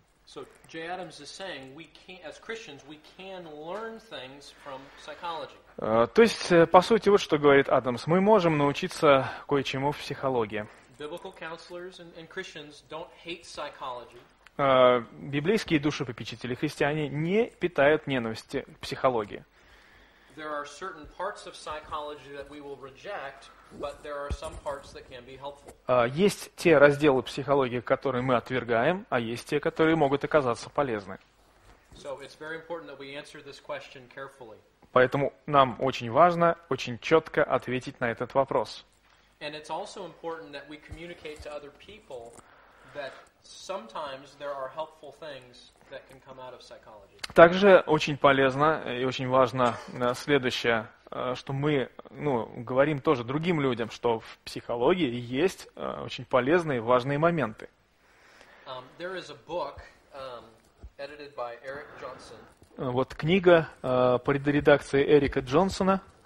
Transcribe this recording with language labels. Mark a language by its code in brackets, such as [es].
[en] So, Jay Adams is saying, we can, as Christians, we can learn things from psychology. [ru] То есть, по сути, вот что говорит Адамс. Мы можем научиться кое-чему в психологии. [en] Biblical counselors and Christians don't hate psychology. [ru] Библейские душепопечители, христиане, не питают ненависти к психологии. [en] There are certain parts of psychology that we will reject, but there are some parts that can be helpful. [ru] Есть те разделы психологии, которые мы отвергаем, а есть те, которые могут оказаться полезны. [en] So it's very important that we answer this question carefully. [ru] Поэтому нам очень важно очень четко ответить на этот вопрос. [en] And it's also important that we communicate to other people that sometimes there are helpful things that can come out of psychology. [ru] Также очень полезно и очень важно следующее, что мы, ну, говорим тоже другим людям, что в психологии есть очень полезные и важные моменты. [en] There is a book edited by Eric Johnson. [ru] Вот книга под редакцией Эрика Джонсона.